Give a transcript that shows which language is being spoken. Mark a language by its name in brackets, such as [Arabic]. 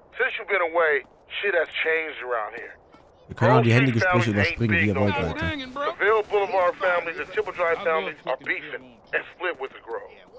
[English] Since you've been away, shit has changed around here. [German] Wir können auch die Handygespräche überspringen, wie ihr wollt, Leute. [English] The Ville Boulevard families and Temple Drive families are beefing and split with the Grove.